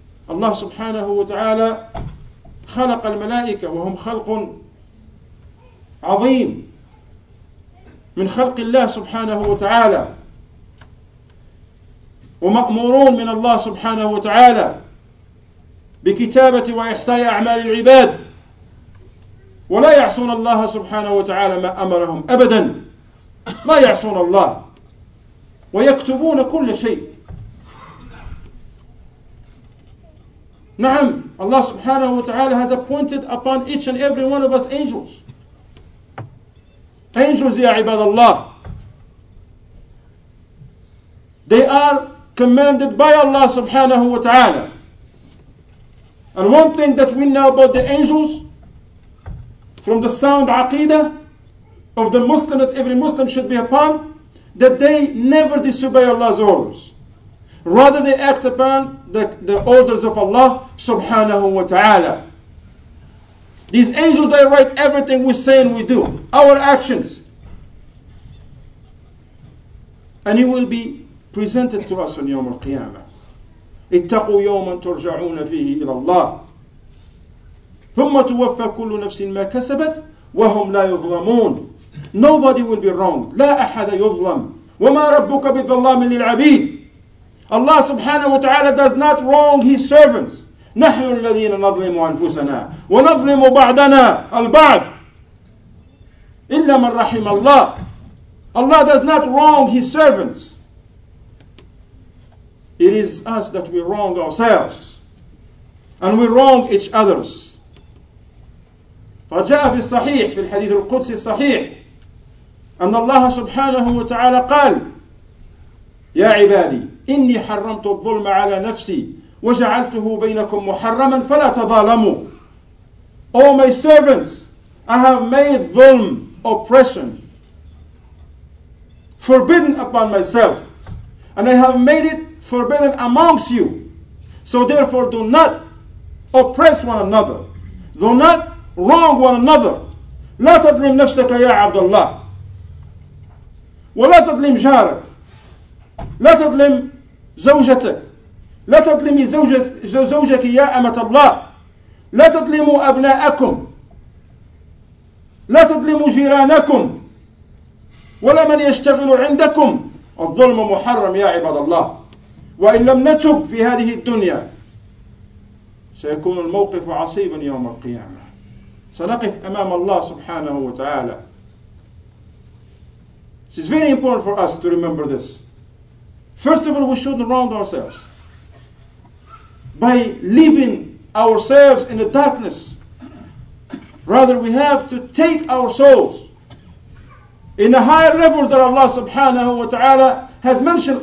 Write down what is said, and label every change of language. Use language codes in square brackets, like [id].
[ar] Allah subhanahu wa ta'ala خلق الملائكة وهم خلق عظيم من خلق الله سبحانه وتعالى ومأمورون من الله سبحانه وتعالى بكتابة وإحصاء أعمال العباد ولا يعصون الله سبحانه وتعالى ما أمرهم أبدا لا يعصون الله ويكتبون كل شيء. نعم الله سبحانه وتعالى [en] has appointed upon each and every one of us angels. Angels, ya ibadallah, they are commanded by Allah subhanahu wa ta'ala. And one thing that we know about the angels, from the sound aqidah of the Muslim that every Muslim should be upon, that they never disobey Allah's orders. Rather, they act upon the orders of Allah subhanahu wa ta'ala. These angels, they write everything we say and we do. Our actions. And it will be presented to us on Yawm al-Qiyamah. [ar] اتقوا يوما ترجعون فيه إلى الله ثم توفى كل نفس ما كسبت وهم لا يظلمون. [en] Nobody will be wrong. [ar] لا أحد يظلم. وما ربك بظلام للعبيد. [en] Allah subhanahu wa ta'ala does not wrong his servants. [ar] نحن الذين نظلم أنفسنا ونظلم بعضنا البعض إلا من رحم الله. [en] Allah does not wrong his servants. It is us that we wrong ourselves. And we wrong each others. [ar] فجاء في الصحيح في الحديث القدسي الصحيح أن الله سبحانه وتعالى قال يا عبادي إني حرمت الظلم على نفسي وجعلته بينكم محرما فلا تظالموا. [en] O my servants, I have made ظلم oppression forbidden upon myself, and I have made it forbidden amongst you. So therefore, do not oppress one another. Do not wrong one another. [ar] لا تظلم نفسك يا عبد الله ولا تظلم جارك لا تظلم زوجتك لا تظلمي زوجك يا أمة الله لا تظلموا أبناءكم لا تظلموا جيرانكم ولا من يشتغل عندكم. الظلم محرم يا عباد الله. وإن لم نتب في هذه الدنيا سيكون الموقف عصيبا يوم القيامة. سنقف أمام الله سبحانه وتعالى. [en] It's very important for us to remember this. First of all, we shouldn't wrong ourselves by leaving ourselves in the darkness. Rather, we have to take our souls in the higher levels that Allah subhanahu wa ta'ala has mentioned.